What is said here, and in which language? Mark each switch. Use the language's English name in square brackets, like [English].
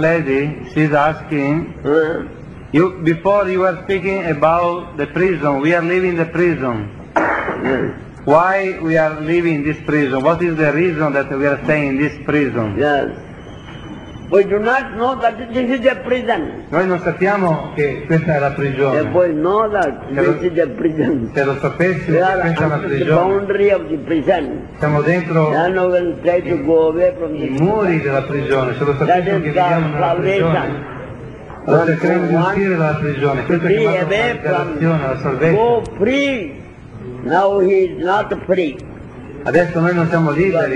[English] One lady is asking, you before you were speaking about the prison, we are living the prison. Yes. Why we are living this prison? What is the reason that we are staying in this prison? Yes. We do not know that this is a prison. [Italian] Noi non sappiamo che questa è la prigione. [English] If we know that this is a prison, [Italian] se lo sapessimo che questa è una prigione, [English] the boundary of the prison. [Italian] Siamo dentro [English] then we will try to go away from [Italian] i muri della prigione. Se lo sapessimo che viviamo nella prigione, allora cercheremo di uscire dalla prigione. Questo è chiamato la liberazione, la salvezza. [English] Go free. Now he is not free. [Italian] Adesso noi non siamo liberi.